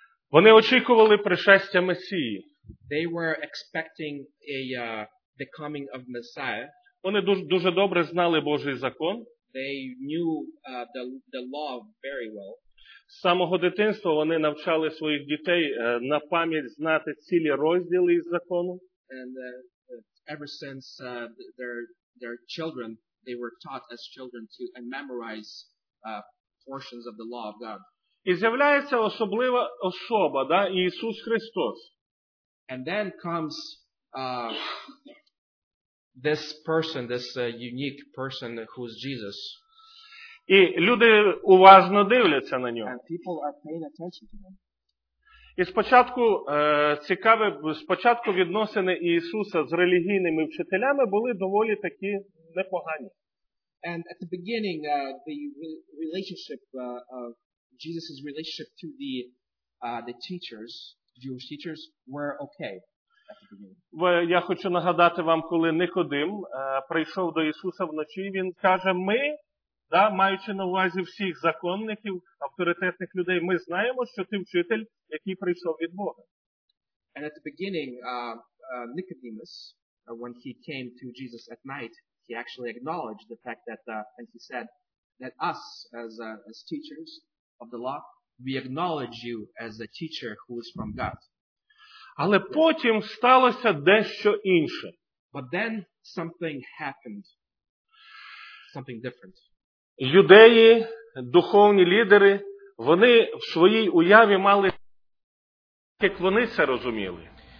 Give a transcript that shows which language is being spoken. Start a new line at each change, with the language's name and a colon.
Ukrainian: Вони очікували пришестя Месії.
English: They were expecting the coming of Messiah.
Ukrainian: Вони дуже добре знали Божий закон.
English: They knew the law very well.
Ukrainian: З самого дитинства вони навчали своїх дітей на пам'ять знати цілі розділи із закону.
English: And ever since their children, they were taught as children to memorize portions of the law of God.
Ukrainian: І з'являється особлива особа, да, Ісус Христос.
English: And then comes this person, this unique person who is Jesus.
Ukrainian: І люди уважно дивляться на нього.
English: And people are paying attention to him.
Ukrainian: І спочатку цікаве, спочатку відносини Ісуса з релігійними вчителями були доволі такі непогані.
English: And at the beginning the relationship of Jesus's relationship to the teachers, Jewish teachers, were okay.
Ukrainian: Я хочу нагадати вам, коли Никодим прийшов до Ісуса вночі, він каже: "Ми, да, маючи на увазі всіх законників, авторитетних людей, ми знаємо, що ти вчитель, який прийшов від Бога."
English: And at the beginning, Nicodemus, when he came to Jesus at night, he actually acknowledged the fact that and he said that us as teachers of the law, we acknowledge you as a teacher who is from God.
Ukrainian: Але потім сталося дещо інше.
English: But then something happened. Something different.
Ukrainian: Юдеї, духовні лідери, вони в своїй уяві мали, як вони це розуміли.